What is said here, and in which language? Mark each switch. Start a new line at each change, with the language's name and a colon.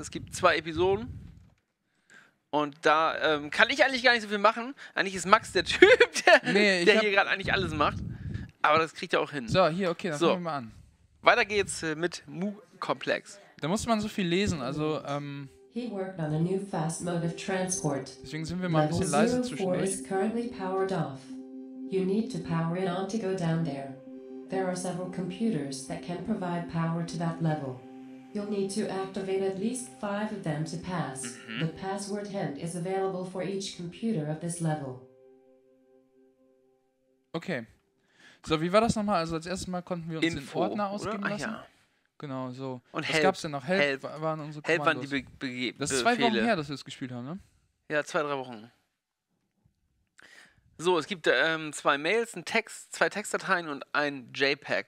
German: Es gibt 2 Episoden. Und da kann ich eigentlich gar nicht so viel machen. Eigentlich ist Max der Typ, der hier gerade eigentlich alles macht. Aber das kriegt er auch hin. So, hier, okay, dann fangen wir mal an. Weiter geht's mit Mu-Komplex. Da musste man so viel lesen, also...
English: He worked on a new fast mode of transport.
German: Deswegen sind wir mal ein bisschen leise zwischendurch.
English: Level 04 is currently powered off. You need to power it on to go down there. There are several computers that can provide power to that level. You'll need to activate at least 5 of them to pass. Mhm. The password hint is available for each computer of this level.
German: Okay. So, wie war das nochmal? Also als erstes Mal konnten wir uns den Ordner ausgeben lassen. Ja. Genau, so. Und was
English: Help.
German: Was gab's denn noch? Help waren unsere Kommandos. Help waren die Befehle. Das ist 2 Wochen her, dass wir es gespielt haben, ne? Ja, 2-3 Wochen. So, es gibt 2 Mails, einen Text, 2 Textdateien und ein JPEG.